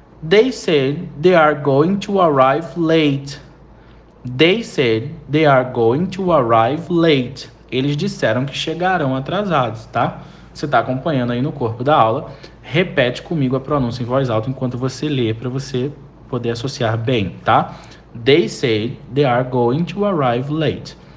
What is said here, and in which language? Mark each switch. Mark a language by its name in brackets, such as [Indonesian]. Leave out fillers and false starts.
[English] They said they are going to arrive late. They said they are going to arrive late. [Portuguese] Eles disseram que chegarão atrasados, tá? Você está acompanhando aí no corpo da aula. Repete comigo a pronúncia em voz alta enquanto você lê para você poder associar bem, tá? [English] They say they are going to arrive late.